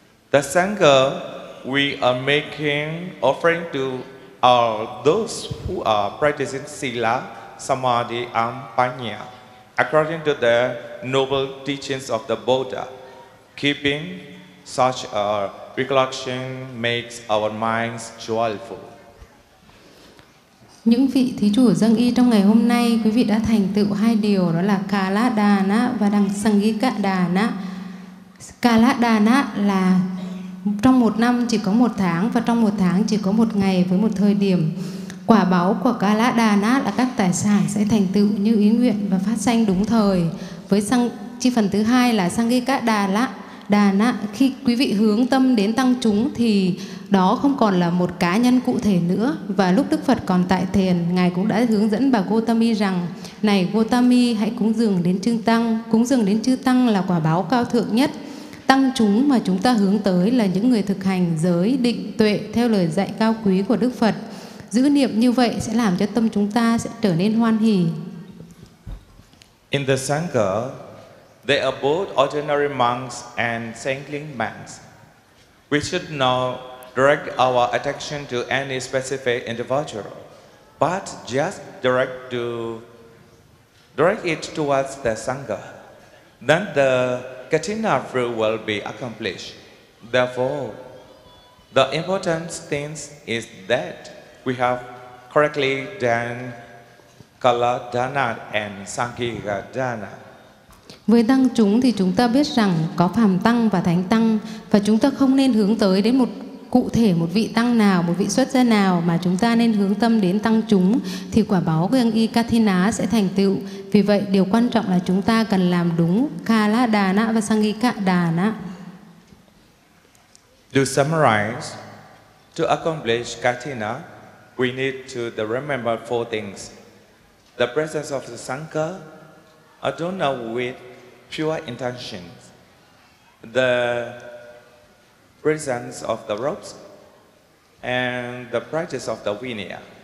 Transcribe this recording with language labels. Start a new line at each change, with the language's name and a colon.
English: The Sangha, we are making offering to all those who are practicing Sila, Samadhi, and Panya, according to the noble teachings of the Buddha. Keeping such a recollection makes our minds joyful.
Vietnamese: Những vị thí chủ dâng y trong ngày hôm nay, quý vị đã thành tựu hai điều, đó là Kala Dana và đằng Sankhika Dana. Kala Dana là trong một năm chỉ có một tháng, và trong một tháng chỉ có một ngày với một thời điểm. Quả báo của Kala Dana là các tài sản sẽ thành tựu như ý nguyện và phát sanh đúng thời. Với chi phần thứ hai là Sankhika Dana. Dana, khi quý vị hướng tâm đến tăng chúng thì đó không còn là một cá nhân cụ thể nữa. Và lúc Đức Phật còn tại thiền, Ngài cũng đã hướng dẫn bà Gotami rằng: Này Gotami, hãy cúng dường đến chư Tăng. Cúng dường đến chư Tăng là quả báo cao thượng nhất. Tăng chúng mà chúng ta hướng tới là những người thực hành giới, định, tuệ theo lời dạy cao quý của Đức Phật. Giữ niệm như vậy sẽ làm cho tâm chúng ta sẽ trở nên hoan hỷ.
English: In the Sangha, they are both ordinary monks and saintly monks. We should not direct our attention to any specific individual, but just direct it towards the Sangha. Then the Katina fruit will be accomplished. Therefore, the important thing is that we have correctly done Kala Dana and Sankhika Dana.
Vietnamese: Với tăng chúng thì chúng ta biết rằng có phàm tăng và thánh tăng, và chúng ta không nên hướng tới đến một cụ thể một vị tăng nào, một vị xuất gia nào, mà chúng ta nên hướng tâm đến tăng chúng thì quả báo gương y Kathina sẽ thành tựu. Vì vậy, điều quan trọng là chúng ta cần làm đúng Kala Dana và Sankhika Dana.
English: To summarize, to accomplish Kathina, we need to remember four things: the presence of the Sangha, Adona with pure intentions, the presence of the ropes, and the practice of the Vinaya.